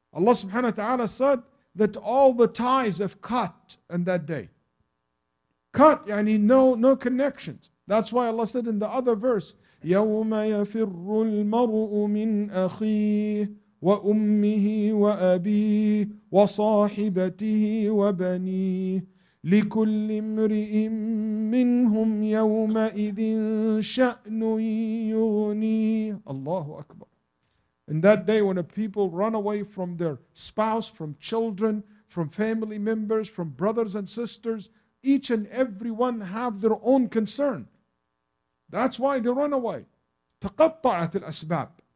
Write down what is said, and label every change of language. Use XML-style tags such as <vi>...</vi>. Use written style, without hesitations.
<en>Allah subhanahu wa ta'ala said that all the ties have cut in that day. Cut, يعني no connections. That's why Allah said in the other verse,</en> <ar>يَوْمَ يَفِرُّ الْمَرْءُ مِنْ أَخِيهِ وَأُمِّهِ وَأَبِيهِ وَصَاحِبَتِهِ وَبَنِيهِ لِكُلِّ امْرِئٍ مِّنْهُمْ يَوْمَئِذٍ شَأْنٌ يُغْنِيهِ. Allahu Akbar.</ar> <en>In that day when a people run away from their spouse, from children, from family members, from brothers and sisters, each and every one have their own concern. That's why they run away.</en> <ar>تَقَطَّعَتِ الْأَسْبَابِ.</ar>